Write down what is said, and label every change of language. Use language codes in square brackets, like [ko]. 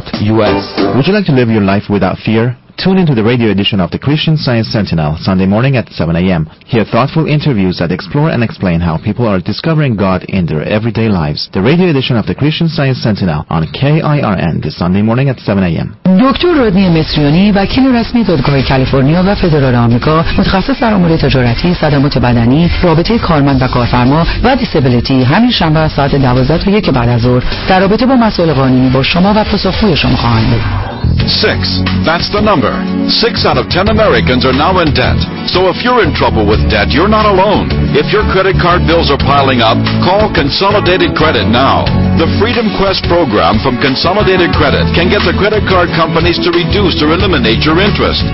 [en] Would you like to live your life without fear? Tune into the radio edition of the Christian Science Sentinel Sunday morning at 7 a.m. Hear thoughtful interviews that explore and explain how people are discovering God in their everyday lives. The radio edition of the Christian Science Sentinel on KIRN this Sunday morning at 7 a.m. [fa] دکتر رودنی مصریانی، وکیل رسمی دادگاه کالیفرنیا و فدرال آمریکا، متخصص در امور تجارتی، صدمات بدنی، رابطه کارمند و کارفرما و دیسابیلیتی، همین شنبه ساعت 12 تا 1 بعد از ظهر در رابطه با مسائل قانونی با شما و پاسخگوی شما خواهند بود. [en] 6. That's the number. 6 out of 10 Americans are now in debt. So if you're in trouble with debt, you're not alone. If your credit card bills are piling up, call Consolidated Credit now. The Freedom Quest program from Consolidated Credit can get the credit card companies to reduce or eliminate your interest.